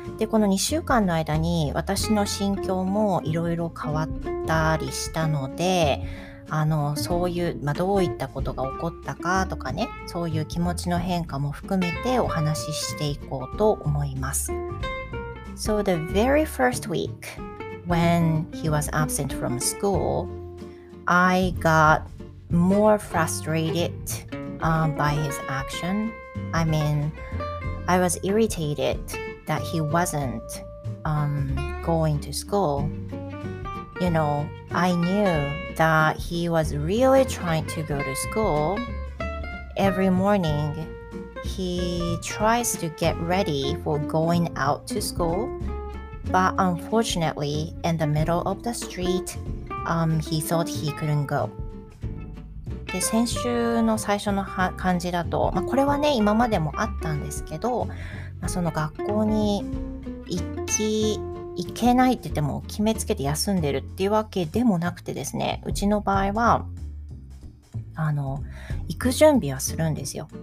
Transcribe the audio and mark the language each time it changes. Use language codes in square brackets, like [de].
[ja] でこの2週間の間に私の心境もいろいろ変わったりしたので、そういう、まあ、どういったことが起こったかとかね、そういう気持ちの変化も含めてお話ししていこうと思います。 [en] So the very first week when he was absent from schoolI got more frustrated by his action. I mean, I was irritated that he wasn't going to school. You know, I knew that he was really trying to go to school. Every morning, he tries to get ready for going out to school. But unfortunately, in the middle of the street,he thought he couldn't go. [ja] で先週の最初の感じだと、まあ、これはね今までもあったんですけど、まあ、その学校に行けないって言っても決めつけて休んでるっていうわけでもなくてですね、うちの場合は行く準備はするんですよ。